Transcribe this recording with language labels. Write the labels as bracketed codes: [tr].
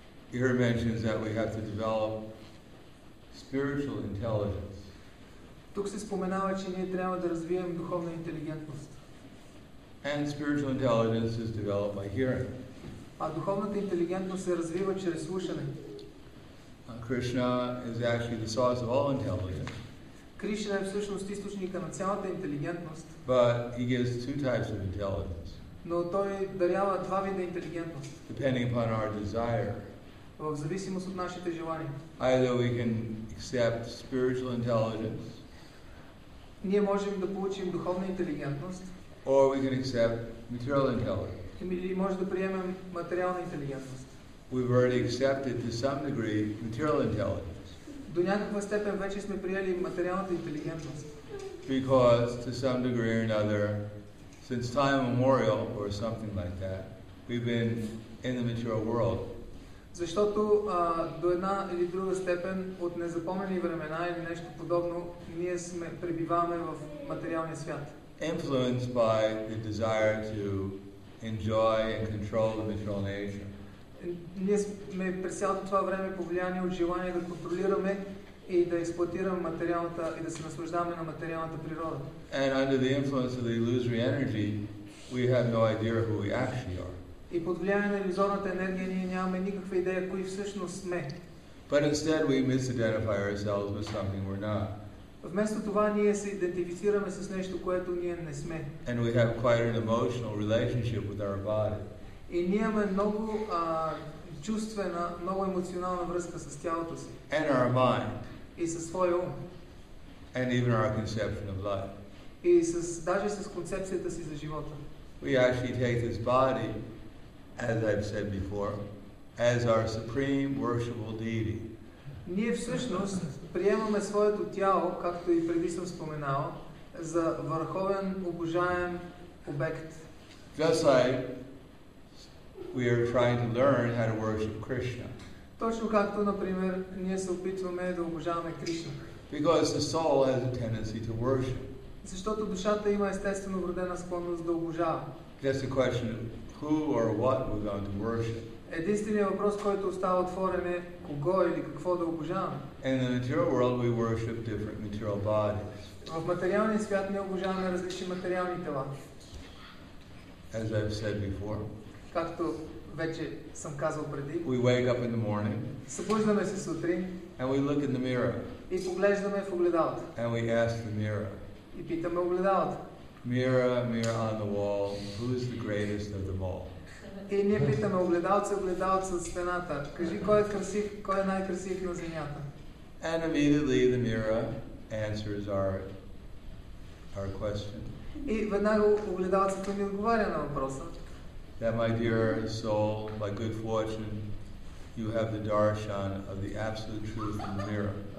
[en] Here mentions that we have to develop spiritual intelligence. [bg] Тук се споменава, че ние трябва да развием духовна интелигентност. [en] And spiritual intelligence is developed by hearing. [bg] А духовната интелигентност се развива чрез слушане. [en] Krishna is actually the source of all intelligence. [bg] Кришна е всъщност източника на цялата интелигентност. [en] But he gives two types of intelligence. [bg] Но той дарява два вида интелигентност. [en] Depending upon our desire. [bg] В зависимост от нашите желания. [en] Either we can accept spiritual intelligence. [bg] Ние можем да получим духовна интелигентност. [en] Or we can accept material intelligence. [bg] Или може да приемем материална интелигентност. [en] We've already accepted to some degree material intelligence. [bg] До някаква степен вече сме приели материалната интелигентност. [en] Because to some degree or another, since time immemorial or something like that, we've been in the material world. [bg] Защото до една или друга степен от незапомнени времена или нещо подобно, ние сме пребиваме в материалния свят. [en] Influenced by the desire to enjoy and control the material nature. [bg] Ние сме през цялото това време повлияни от желание да контролираме и да експлоатираме материалната и да се наслаждаваме на материалната природа. [en] And under the influence of the illusory energy, we have no idea who we actually are. [bg] И под влияние на иллюзорната енергия ние нямаме никаква идея кои всъщност сме. [en] But instead we misidentify ourselves with something we're not. [bg] Вместо това ние се идентифицираме с нещо, което ние не сме. [en] And we have quite an emotional relationship with our body. [bg] И ние имаме много чувствена, много емоционална връзка с тялото си. [en] And our mind. [bg] И със своя ум. [en] And even our conception of life. [bg] И с, даже с концепцията си за живота. [en] We actually take this body, as I've said before, as our supreme worshipful deity. [bg] Ние всъщност приемаме своето тяло, както и преди съм споменал, за върховен обожаем обект. [en] Just like we are trying to learn how to worship Krishna. [bg] Точно както, например, ние се опитваме да обожаваме Кришна. [en] Because the soul has a tendency to worship. [bg] Защото душата има естествено вродена склонност да обожава. [en] Just a question of who or what we're going to worship. [bg] Единственият въпрос, който остава отворен е кого или какво да обожаваме. [en] In the material world we worship different material bodies. [bg] В материалния свят ние обожаваме различни материални тела. [en] As I've said before. [bg] Както вече съм казал преди. [en] We wake up in the morning. [bg] Събуждаме се сутрин. [en] And we look in the mirror. [bg] И поглеждаме в огледалото. [en] And we ask the mirror. [bg] И питаме огледалото. [en] Mirror, mirror on the wall, who is the greatest of them all? [bg] И ние питаме огледалце, огледалце от стената, кажи кой е красив, кой е най-красив на земята? [en] And immediately the mirror answers our question. [bg] И веднага огледалцето ми отговаря на въпроса. [en] That my dear soul, by good fortune, you have the darshan of the absolute truth in the mirror.